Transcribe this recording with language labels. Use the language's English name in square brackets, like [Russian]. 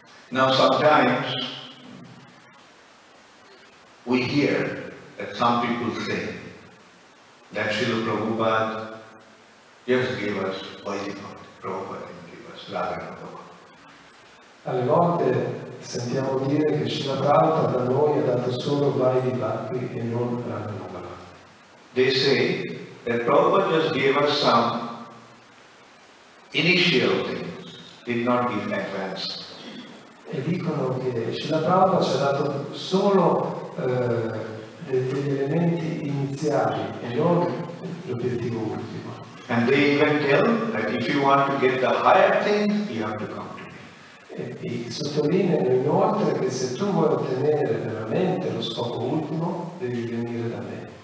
[English] Now sometimes we hear that some people say that Srila Prabhupada just give us Vaidhapati, Prabhupada didn't give us Raghavanda Bhakti. [Italian] Alle volte sentiamo dire che Srila Prabhupada da noi ha dato solo Vaidhapati e non Raghavanda Bhakti. [English] They say that Prabhupada just gave us some initial things, did not give advanced. [Italian] E dicono che Srila Prabhupada ci ha dato solo degli elementi iniziali e non l'obiettivo ultimo. [English] And they even tell that if you want to get the higher things, you have to come to me. [Italian] E sottolineano inoltre che se tu vuoi ottenere veramente lo scopo ultimo, devi venire da me.